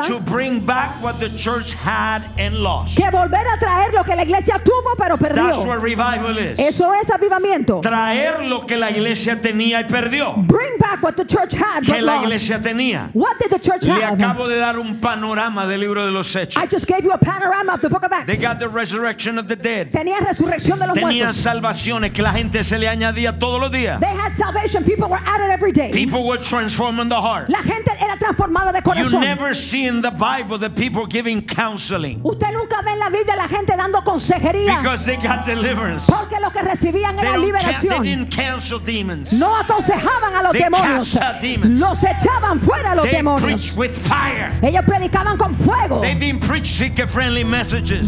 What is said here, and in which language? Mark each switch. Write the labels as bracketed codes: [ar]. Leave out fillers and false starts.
[en] That to bring back what the church had and lost. [es] Que volver a traer lo que la iglesia tuvo pero perdió. [en] That's what revival is. [es] Eso es avivamiento. Traer lo que la iglesia tenía y perdió. [en] Bring back what the church had [es] que la iglesia [en] lost. [es] Tenía. [en] What did the church [es] le [en] have? [es] Acabo de dar un panorama del libro de los hechos. [en] I just gave you a panorama of the book of Acts. They got the resurrection of the dead. [es] Tenía resurrección de los tenía muertos. Tenía salvaciones que la gente se le añadía todos los días. [en] They had salvation. People were added every day. People were transforming the heart. [es] La gente era transformada de corazón. [en] You never see in the Bible the people giving counseling. [es] Usted nunca ve en la Biblia la gente dando consejería. [en] Because they got deliverance. [es] Porque lo que recibían era liberación. [en] They didn't cancel demons. [es] No aconsejaban a los [en] they [es] demonios. [en] They cast out demons. [es] Los echaban fuera los [en] they [es] demonios. [en] They preached with fire. [es] Ellos predicaban con fuego. [en] They didn't preach seeker-friendly messages.